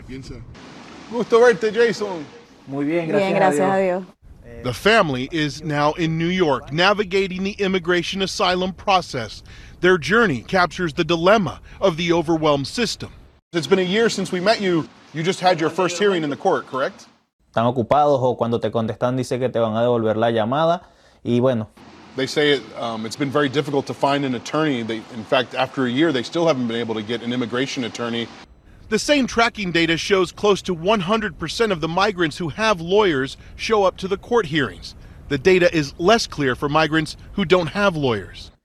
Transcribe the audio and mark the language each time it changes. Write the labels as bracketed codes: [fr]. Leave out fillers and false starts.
[es] Gusto verte, Jason. Muy bien, gracias a Dios. [en] The family is now in New York, navigating the immigration asylum process. Their journey captures the dilemma of the overwhelmed system. It's been a year since we met you. You just had your first hearing in the court, correct? [es] Están ocupados o cuando te contestan dice que te van a devolver la llamada y bueno. [en] They say it's been very difficult to find an attorney. In fact, after a year, they still haven't been able to get an immigration attorney. The same tracking data shows close to 100% of the migrants who have lawyers show up to the court hearings. The data is less clear for migrants who don't have lawyers.